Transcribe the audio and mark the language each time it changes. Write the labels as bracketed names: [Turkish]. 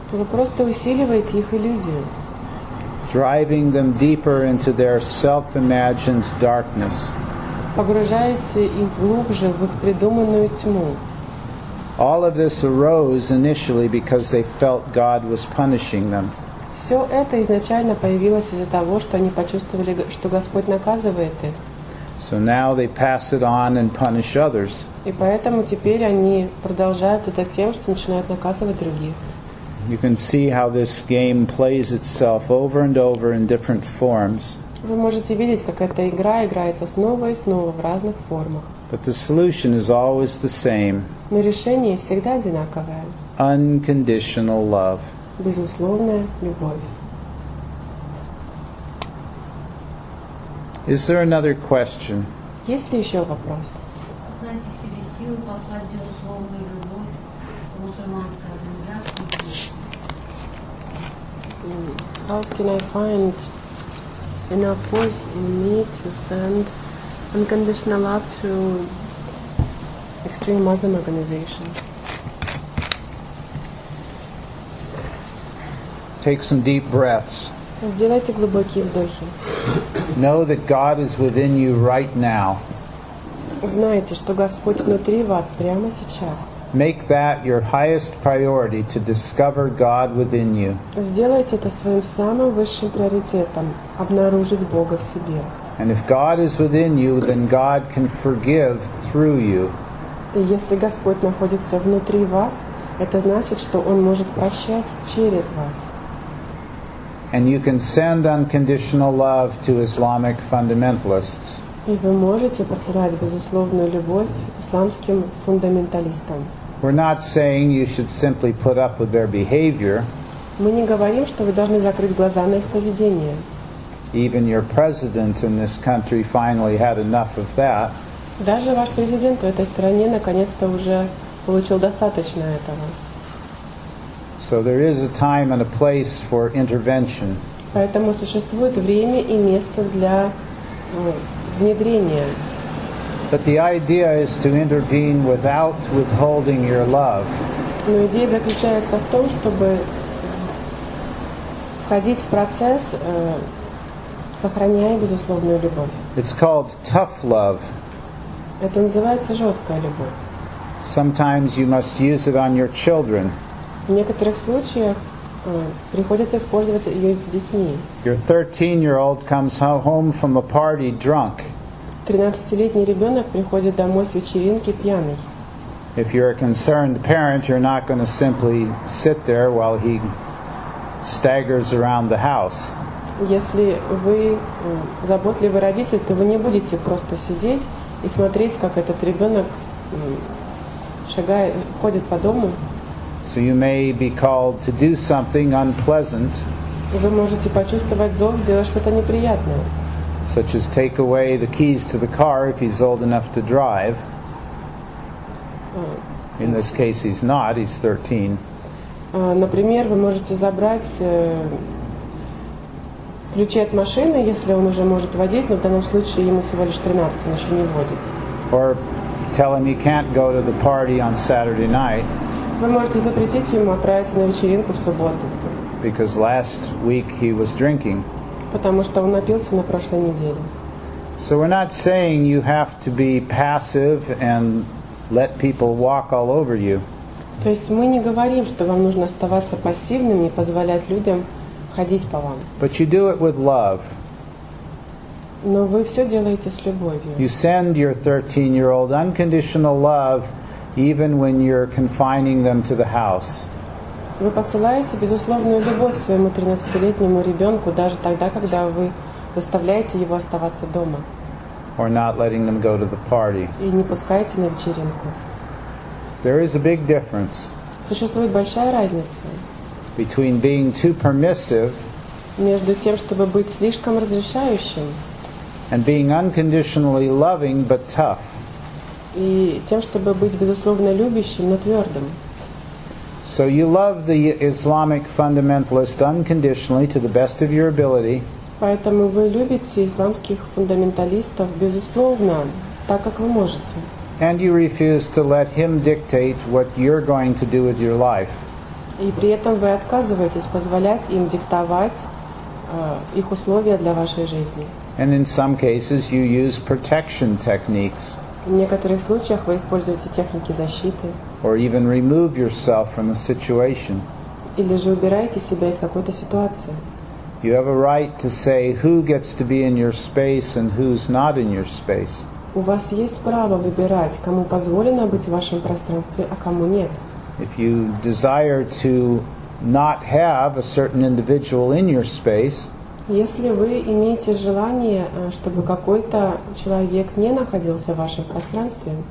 [Russian] Вы просто усиливаете их иллюзию. [English] Driving them deeper into their self-imagined darkness. [Russian] Погружаете их глубже в их придуманную тьму. [English] All of this arose initially because they felt God was punishing them. [Russian] Все это изначально появилось из-за того, что они почувствовали, что Господь наказывает их. [English] So now they pass it on and punish others. [Russian] И поэтому теперь они продолжают это тем, что начинают наказывать других. [English] You can see how this game plays itself over and over in different forms. [Russian] Вы можете видеть, как эта игра играется снова и снова в разных формах. [English] But the solution is always the same. [Russian] Но решение всегда одинаковое. [English] Unconditional love. [Russian] Безусловная любовь. [English] Is there another question? [Russian] Есть ли еще вопрос? Знаете, в себе силы послать безусловную любовь в мусульманской организации? [English] How can I find enough force in me to send unconditional love to extreme Muslim organizations? Take some deep breaths. [Russian] Сделайте глубокие вдохи. [English] Know that God is within you right now. [Russian] Знаете, что Господь внутри вас прямо сейчас. [English] Make that your highest priority to discover God within you. [Russian] Сделайте это своим самым высшим приоритетом обнаружить Бога в себе. [English] And if God is within you, then God can forgive through you. [Russian] И если Господь находится внутри вас, это значит, что Он может прощать через вас. [English] And you can send unconditional love to Islamic fundamentalists. [Russian] И вы можете посылать безусловную любовь исламским фундаменталистам. [English] We're not saying you should simply put up with their behavior. [Russian] Мы не говорим, что вы должны закрыть глаза на их поведение. [English] Even your president in this country finally had enough of that. [Russian] Даже ваш президент в этой стране наконец-то уже получил достаточно этого. [English] So there is a time and a place for intervention. [Russian] Поэтому существует время и место для внедрения. [English] But the idea is to intervene without withholding your love. [Russian] Но идея заключается в том, чтобы входить в процесс, сохраняя безусловную любовь. [English] It's called tough love. [Russian] Это называется жесткая любовь. [English] Sometimes you must use it on your children. [Russian] В некоторых случаях приходится использовать ее с детьми. [English] Your 13-year-old comes home from a party drunk. [Russian] 13-летний ребенок приходит домой с вечеринки пьяный. [English] If you're a concerned parent, you're not going to simply sit there while he staggers around the house. [Russian] Если вы заботливый родитель, то вы не будете просто сидеть и смотреть, как этот ребенок шагает, ходит по дому. [English] So you may be called to do something unpleasant. [Russian] Вы можете почувствовать зов сделать что-то неприятное. [English] Such as take away the keys to the car if he's old enough to drive. In this case he's not, he's 13. [Russian] Например, вы можете забрать ключи от машины, если он уже может водить, но в данном случае ему всего лишь 13, он еще не водит. [English] Or tell him he can't go to the party on Saturday night. [Russian] Вы можете запретить ему отправиться на вечеринку в субботу. [English] Because last week he was drinking. [Russian] Потому что он напился на прошлой неделе. [English] So we're not saying you have to be passive and let people walk all over you. [Russian] То есть мы не говорим, что вам нужно оставаться пассивным и позволять людям ходить по вам. [English] But you do it with love. [Russian] Но вы все делаете с любовью. [English] You send your 13-year-old unconditional love even when you're confining them to the house. [Russian] Вы посылаете безусловную любовь своему 13-летнему ребенку даже тогда, когда вы заставляете его оставаться дома. [English] Or not letting them go to the party. [Russian] И не пускаете на вечеринку. [English] There is a big difference. [Russian] Существует большая разница. [English] Between being too permissive. [Russian] Между тем, чтобы быть слишком разрешающим. [English] And being unconditionally loving but tough. [Russian] И тем, чтобы быть безусловно любящим, но твердым. [English] So you love the Islamic fundamentalist unconditionally to the best of your ability. [Russian] Поэтому вы любите исламских фундаменталистов безусловно, так как вы можете. [English] And you refuse to let him dictate what you're going to do with your life. [Russian] И при этом вы отказываетесь позволять им диктовать их условия для вашей жизни. [English] And in some cases you use protection techniques. [Russian] В некоторых случаях вы используете техники защиты. [English] Or even remove yourself from a situation. [Russian] Или же убираете себя из какой-то ситуации. [English] You have a right to say who gets to be in your space and who's not in your space. [Russian] У вас есть право выбирать, кому позволено быть в вашем пространстве, а кому нет. [English] If you desire to not have a certain individual in your space, [Russian] если вы имеете желание, чтобы какой-то человек не находился в вашем пространстве,